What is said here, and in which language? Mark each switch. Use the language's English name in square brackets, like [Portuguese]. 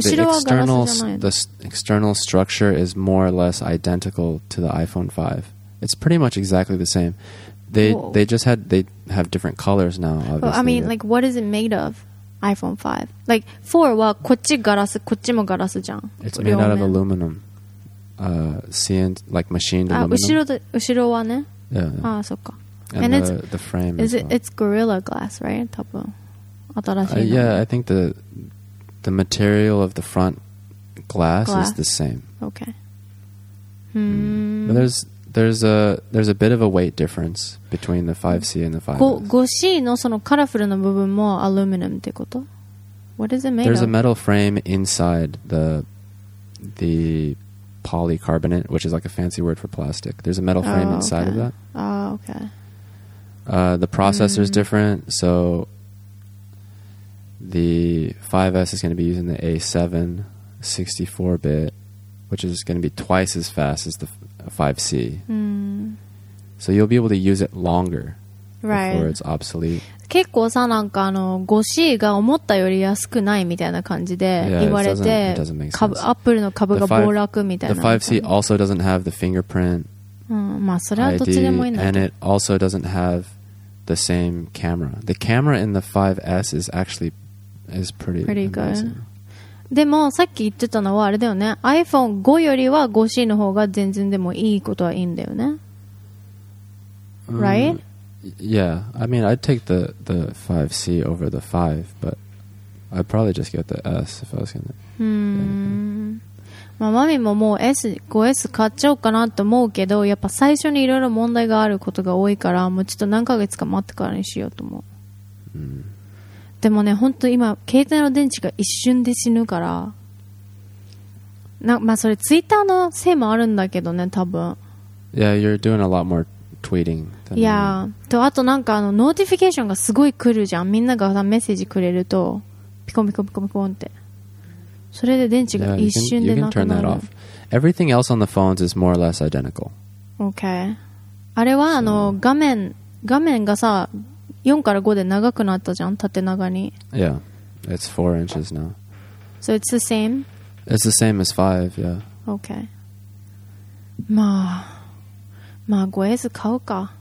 [English] The external structure is more or less identical to the iPhone 5. It's pretty much exactly the same. They have different colors now, obviously. I mean, like, what is it made of, iPhone 5? [Japanese] Like, 4 はこっちガラス、こっちもガラスじゃん。 [English] It's made out of aluminum. Machined aluminum. [Japanese] 後ろはね。 [English] Yeah. [Japanese] あ、そっか。 [English] And the frame is well. It's Gorilla Glass, right? [Japanese] 多分。 [English] Yeah, I think the material of the front glass is the same. Okay. Mm. But there's a bit of a weight difference between the 5C and the 5S. [Japanese] 5C のそのカラフルな部分もアルミニウムってこと? [English] What is it made of? There's a metal frame inside the polycarbonate, which is like a fancy word for plastic. There's a metal frame inside of that. Oh, okay. The processor is different, so the 5S is going to be using the A7 64-bit, which is going to be twice as fast as the 5C. Mm. So you'll be able to use it longer before it's obsolete. [Japanese] 結構さなんかあの 5C が思ったより安くないみたいな感じで言われて、アップルの株が暴落みたいな。 [English] The 5C also doesn't have the fingerprint ID, and it also doesn't have the same camera. The camera in the 5S is actually is pretty, pretty good. [Japanese] でもさっき言ってたのはあれだよね。 iPhone 5よりは 5C の方が全然でもいいことはいいんだよね。 [English] Right? Yeah, I mean, I'd take the 5C over the 5, but I'd probably just get the S if I was going to. [Japanese] まあ、マミももう S、5S 買っちゃおうかなと思うけど、やっぱ最初にいろいろ問題があることが多いから、もうちょっと何ヶ月か待ってからにしようと思う。でもね、本当今、携帯の電池が一瞬で死ぬから、まあそれツイッターのせいもあるんだけどね、多分。 [English] Yeah, you're doing a lot more tweeting. Yeah. [Japanese] とあとなんかあのノーティフィケーションがすごい来るじゃん。みんながさメッセージくれるとピコピコピコピコンって。それで電池が一瞬でなくなる。 [English] You can turn that off. Everything else on the phones is more or less identical. Okay. [Japanese] あれはあの画面がさ4から5で長くなったじゃん。縦長に。 [English] Yeah. It's 4 inches now. So it's the same? It's the same as 5, yeah. [Japanese] Okay. まあ、5S 買うか。